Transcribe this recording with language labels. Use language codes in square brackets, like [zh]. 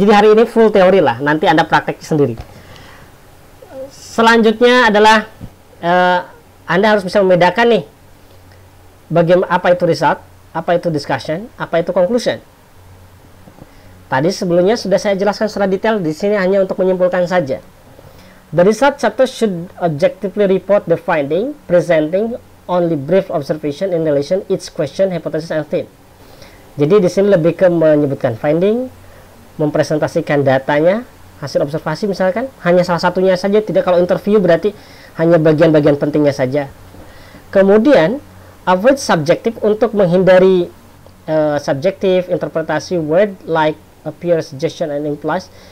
[id] Jadi hari ini full teori lah. Nanti Anda praktek sendiri. Selanjutnya adalah Anda harus bisa membedakan nih. Bagaimana, apa itu result, apa itu discussion, apa itu conclusion. Tadi sebelumnya sudah saya jelaskan secara detail, di sini hanya untuk menyimpulkan saja. [en] The result chapter should objectively report the finding, presenting only brief observation in relation each question, hypothesis, and theme. [id] Jadi di sini lebih ke menyebutkan finding, mempresentasikan datanya, hasil observasi misalkan, hanya salah satunya saja, tidak kalau interview berarti hanya bagian-bagian pentingnya saja. Kemudian, avoid subjective, untuk menghindari subjective interpretasi [en] word like appear, suggestion, and implies.